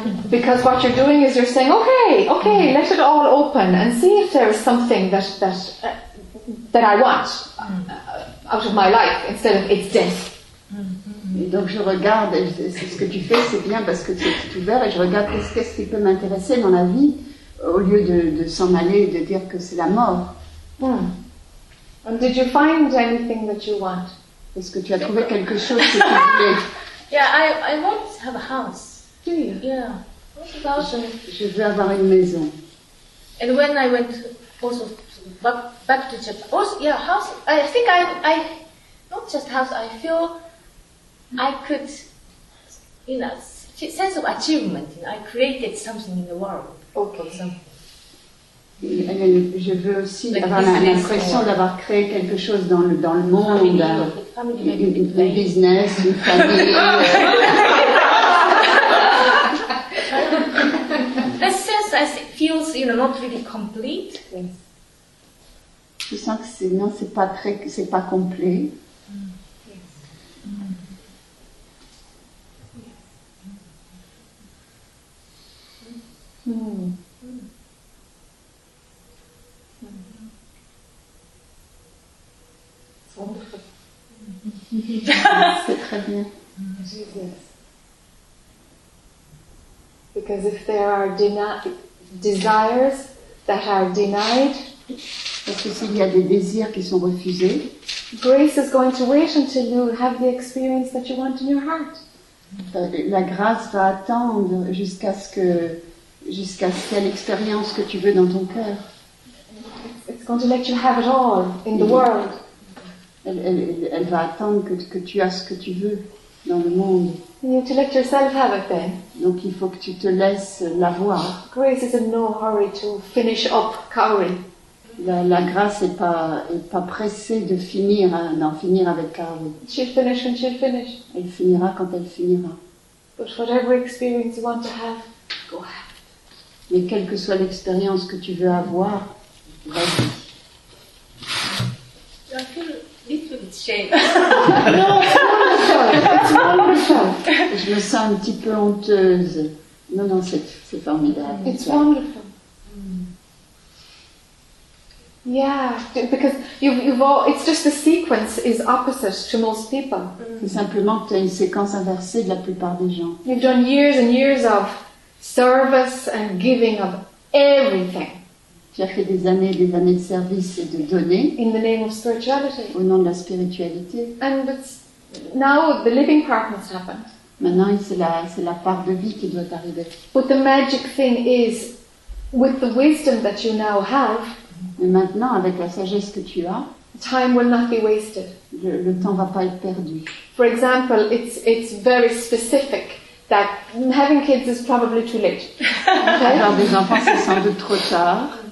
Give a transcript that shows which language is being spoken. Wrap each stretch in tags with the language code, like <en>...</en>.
<en>Because what you're doing is you're saying, okay, let it all open and see if there is something that I want out of my life instead of its death.</en> <fr>Et donc je regarde, c'est ce que tu fais, c'est bien parce que tu es ouvert, et je regarde qu'est-ce qui peut m'intéresser dans la vie au lieu de s'en aller et de dire que c'est la mort. Hmm.</fr> <en>And did you find anything that you want?</en> <fr>Est-ce que tu as trouvé quelque chose que tu voulais?</fr> <en>Yeah, I want to have a house. Do you? Yeah. What about</en> <fr>Je veux avoir une maison.</fr> <en>And when I went also back to Japan, also, yeah, house. I think I not just house. I feel I could, you know, sense of achievement. You know, I created something in the world. Okay.</en> <fr>Je veux aussi avoir l'impression d'avoir créé quelque chose dans le monde. Un business, une famille.</fr> <en>The sense as it feels, you know, not really complete.</en> <fr>Je sens que c'est pas complet. C'est très bien.</fr> <en>Jesus. Because if there are desires that are denied,</en> <fr>parce que s'il y a des désirs qui sont refusés,</fr> <en>grace is going to wait until you have the experience that you want in your heart.</en> <fr>La grâce va attendre jusqu'à ce qu'il y ait l'expérience que tu veux dans ton cœur.</fr> <en>It's going to let you have it all in the world.</en> <fr>Elle va attendre que tu as ce que tu veux dans le monde.</fr> <en>You need to let yourself have it then.</en> <fr>Donc il faut que tu te laisses l'avoir.</fr> <en>Grace is in no hurry to finish up Kauri.</en> <fr>La grâce est pas pressée de finir, d'en finir avec Kauri.</fr> <en>She'll finish when she'll finish.</en> <fr>Elle finira quand elle finira.</fr> <en>But whatever experience you want to have, go ahead.</en> <fr>Mais quelle que soit l'expérience que tu veux avoir, vas-y.</fr> <en>I feel a little bit shame.</en> <fr>Non, c'est wonderful. Je me sens un petit peu honteuse. Non, c'est formidable.</fr> <en>It's wonderful. Mm. Yeah, because it's just the sequence is opposite to most people. Mm.</en> <fr>C'est simplement que tu as une séquence inversée de la plupart des gens.</fr> <en>You've done years and years of service and giving of everything.</en> <fr>J'ai fait des années de service et de donner.</fr> <en>In the name of spirituality.</en> <fr>Au nom de la spiritualité.</fr> <en>And it's now the living part must happen.</en> <fr>Maintenant, c'est la part de vie qui doit arriver.</fr> <en>But the magic thing is, with the wisdom that you now have.</en> <fr>Mais maintenant, avec la sagesse que tu as.</fr> <en>Time will not be wasted.</en> <fr>Le temps va pas être perdu.</fr> <en>For example, it's very specific. That having kids is probably too late. Okay?</en> <fr>Avoir des enfants, c'est sans doute trop tard.</fr>